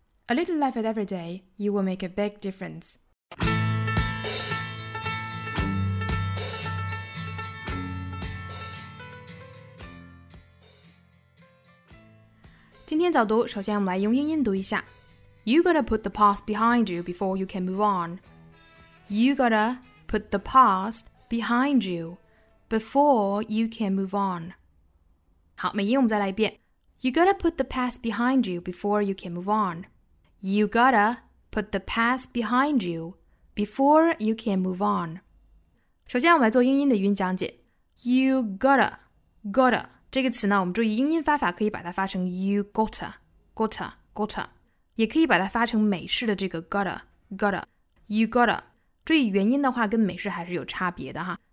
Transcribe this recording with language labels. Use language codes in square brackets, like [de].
[en] A little life at every day, you will make a big difference. [zh] 今天早读，首先我们来用英音读一下。 [en] You gotta put the past behind you before you can move on. You gotta put the past behind you before you can move on. [zh] 好，美音我们再来一遍。 [en] You gotta put the past behind you before you can move on. You gotta put the past behind you before you can move on. [zh] 首先我们来做英音的语音讲解。 You gotta 这个词呢，我们注意英音发法可以把它发成 you gotta 也可以把它发成美式的这个 gotta. You gotta 注意元音的话跟美式还是有差别的哈。